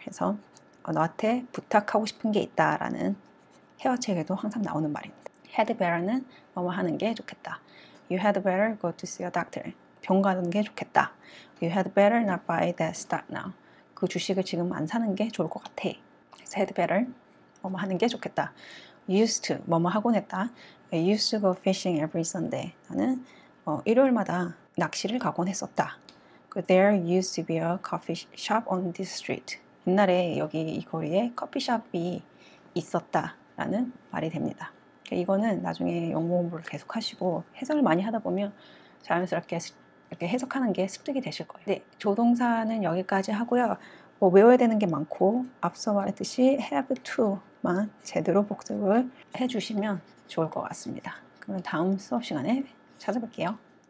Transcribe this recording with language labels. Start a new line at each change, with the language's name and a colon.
Korean: 해서 너한테 부탁하고 싶은 게 있다라는 회화책에도 항상 나오는 말입니다. Had better는 뭐뭐 하는 게 좋겠다.
English: You had better go to see a doctor.
Korean: 병 가는 게 좋겠다.
English: You had better not buy that stock now.
Korean: 그 주식을 지금 안 사는 게 좋을 것 같아. 그래서 had better 뭐뭐 하는 게 좋겠다. Used to 뭐뭐 하곤 했다.
English: I used to go fishing every Sunday.
Korean: 나는 일요일마다 낚시를 가곤 했었다.
English: There used to be a coffee shop on this street.
Korean: 옛날에 여기 이 거리에 커피숍이 있었다라는 말이 됩니다. 이거는 나중에 영어 공부를 계속 하시고 해석을 많이 하다 보면 자연스럽게 이렇게 해석하는 게 습득이 되실 거예요. 네, 조동사는 여기까지 하고요. 뭐 외워야 되는 게 많고 앞서 말했듯이 have to만 제대로 복습을 해주시면 좋을 것 같습니다. 그러면 다음 수업 시간에 찾아뵐게요.